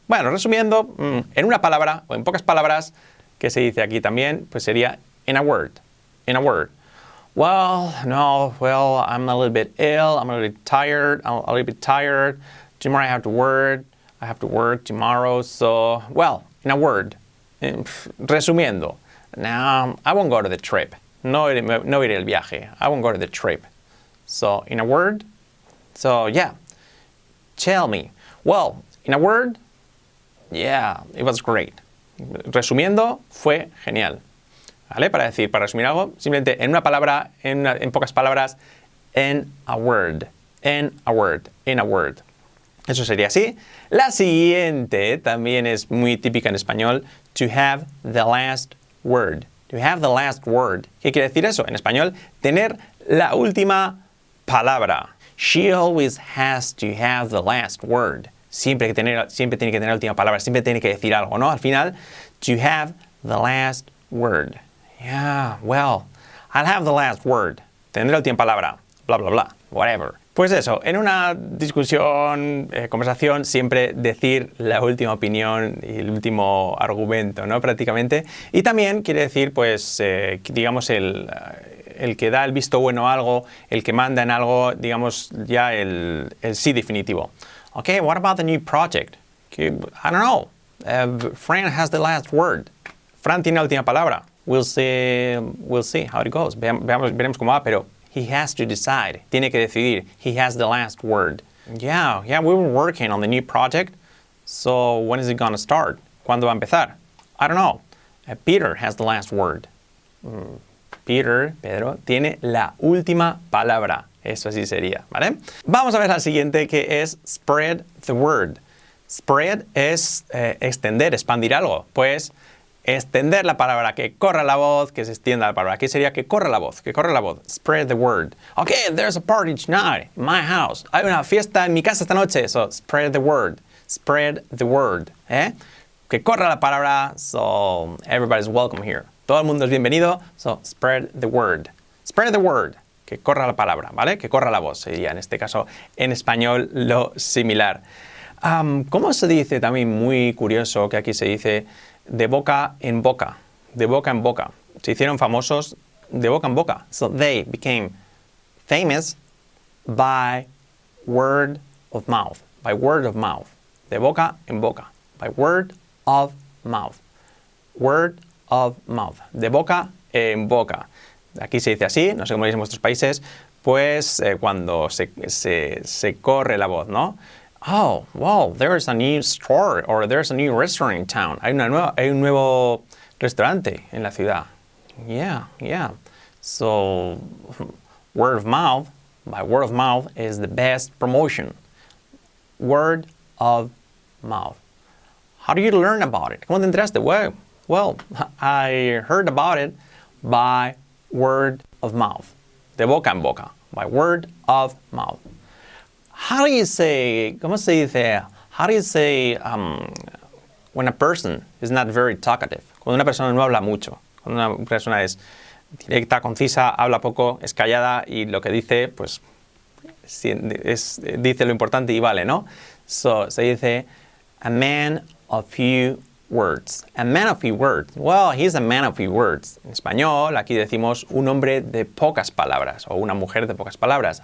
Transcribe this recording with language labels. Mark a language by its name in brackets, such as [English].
[Spanish] Bueno, resumiendo en una palabra o en pocas palabras, que se dice aquí también, pues sería [English] in a word. In a word. Well, no, well, I'm a little bit ill, I'm a little bit tired, I'm a little bit tired. Tomorrow I have to work tomorrow, so, well, in a word. [Spanish] Resumiendo. [English] Now, I won't go to the trip. [Spanish] No iré el viaje. [English] I won't go to the trip. So, in a word. So, yeah, tell me. Well, in a word, yeah, it was great. [Spanish] Resumiendo, fue genial. ¿Vale? Para decir, para resumir algo, simplemente en una palabra, en pocas palabras, in a word. [English] In a word. In a word. [Spanish] Eso sería así. La siguiente también es muy típica en español. [English] To have the last word. To have the last word. [Spanish] ¿Qué quiere decir eso? En español, tener la última palabra. [English] She always has to have the last word. [Spanish] Siempre tiene que tener la última palabra. Siempre tiene que decir algo, ¿no? Al final, [English] to have the last word. Yeah, well, I'll have the last word. [Spanish] Tendré la última palabra. [English] Bla, bla, bla. Whatever. [Spanish] Pues eso, en una discusión, conversación, siempre decir la última opinión y el último argumento, ¿no? Prácticamente. Y también quiere decir, pues, digamos, el que da el visto bueno a algo, el que manda en algo, digamos, ya el sí definitivo. [English] Okay, what about the new project? I don't know. Fran has the last word. [Spanish] Fran tiene la última palabra. [English] We'll see how it goes. [Spanish] Veremos cómo va, pero [English] he has to decide. [Spanish] Tiene que decidir. [English] He has the last word. Yeah, we were working on the new project. So when is it going to start? [Spanish] ¿Cuándo va a empezar? [English] I don't know. Peter has the last word. [Spanish] Pedro, tiene la última palabra. Eso sí sería, ¿vale? Vamos a ver la siguiente, que es [English] spread the word. [Spanish] Spread es extender, expandir algo. Pues extender la palabra, que corra la voz, que se extienda la palabra. Aquí sería que corra la voz, que corra la voz. [English] Spread the word. Okay, there's a party tonight in my house. [Spanish] Hay una fiesta en mi casa esta noche. [English] So, spread the word. Spread the word. ¿Eh? [Spanish] Que corra la palabra. [English] So, everybody's welcome here. [Spanish] Todo el mundo es bienvenido. [English] So, spread the word. [Spanish] Spread the word. Que corra la palabra, ¿vale? Que corra la voz. Sería, en este caso, en español, lo similar. ¿Cómo se dice? También muy curioso que aquí se dice de boca en boca. De boca en boca. Se hicieron famosos de boca en boca. [English] So, they became famous by word of mouth. By word of mouth. [Spanish] De boca en boca. [English] By word of mouth. Word of mouth, [Spanish] de boca en boca. Aquí se dice así, no sé cómo lo dicen en vuestros países, pues cuando se corre la voz, ¿no? [English] Oh, wow, there's a new store or there's a new restaurant in town. [Spanish] Hay un nuevo restaurante en la ciudad. [English] Yeah, yeah. So word of mouth, by word of mouth is the best promotion. Word of mouth. How do you learn about it? [Spanish] ¿Cómo te enteraste? [English] Well, I heard about it by word of mouth. [Spanish] De boca en boca. [English] By word of mouth. How do you say, [Spanish] ¿cómo se dice? [English] How do you say when a person is not very talkative? [Spanish] Cuando una persona no habla mucho. Cuando una persona es directa, concisa, habla poco, es callada y lo que dice, pues, dice lo importante y vale, ¿no? So, se dice, [English] a man of few words. A man of few words. [Spanish] Well, he's a man of few words. En español, aquí decimos un hombre de pocas palabras o una mujer de pocas palabras.